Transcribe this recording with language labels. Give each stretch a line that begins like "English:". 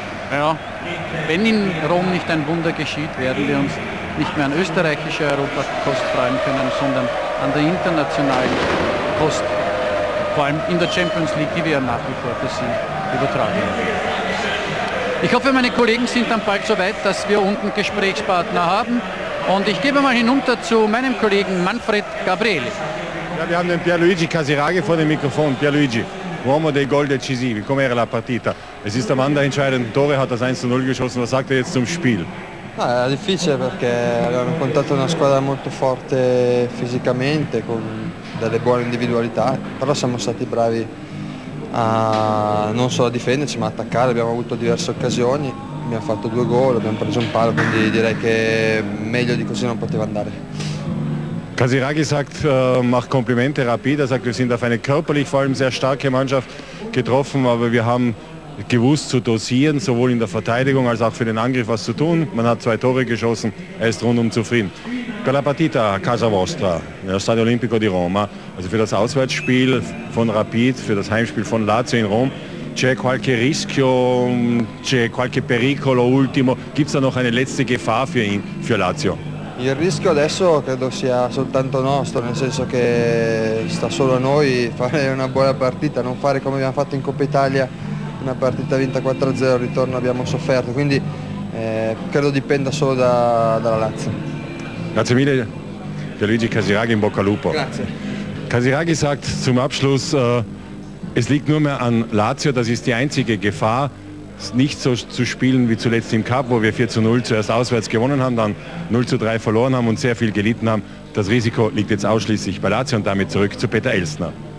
German: Ja, wenn in Rom nicht ein Wunder geschieht, werden wir uns nicht mehr an österreichischer Europakost freuen können, sondern an der internationalen Kost, vor allem in der Champions League, die wir ja nach wie vor für Sie übertragen. Ich hoffe, meine Kollegen sind dann bald so weit, dass wir unten Gesprächspartner haben. Und ich gebe mal hinunter zu meinem Kollegen Manfred Gabriele. Ja, wir haben den Pierluigi Casiraghi vor dem Mikrofon.
Italian: Pierluigi, uomo dei gol decisivi, come era la partita?
German: Es ist der Mann der entscheidenden Tore, hat das 1-0 geschossen. Was sagt er jetzt zum Spiel?
Italian: Ah, era difficile perché abbiamo incontrato una squadra molto forte fisicamente, con delle buone individualità, però siamo stati bravi a non solo a difenderci ma a attaccare, abbiamo avuto diverse occasioni. Abbiamo fatto due gol, abbiamo preso un palo, quindi direi che meglio di così non poteva andare.
German: Casiraghi sagt, macht Komplimente Rapid, sagt, wir sind auf eine körperlich vor allem sehr starke Mannschaft getroffen, aber wir haben gewusst zu dosieren, sowohl in der Verteidigung als auch für den Angriff was zu tun. Man hat zwei Tore geschossen, er ist rundum zufrieden.
Italian: Per la partita a casa vostra, nello Stadio Olimpico di Roma,
German: also für das Auswärtsspiel von Rapid, für das Heimspiel von Lazio in Rom,
Italian: c'è qualche rischio, c'è qualche pericolo ultimo,
German: gibt es da noch eine letzte Gefahr für ihn, für Lazio?
Italian: Il rischio adesso credo sia soltanto nostro, nel senso che sta solo a noi fare una buona partita, non fare come abbiamo fatto in Coppa Italia, una partita vinta 4-0, al ritorno abbiamo sofferto, quindi credo dipenda solo dalla Lazio. Grazie mille, Pierluigi Casiraghi, in bocca al lupo. Grazie.
German: Casiraghi sagt zum Abschluss, es liegt nur mehr an Lazio, das ist die einzige Gefahr, nicht so zu spielen wie zuletzt im Cup, wo wir 4-0 zuerst auswärts gewonnen haben, dann 0-3 verloren haben und sehr viel gelitten haben. Das Risiko liegt jetzt ausschließlich bei Lazio und damit zurück zu Peter Elsner.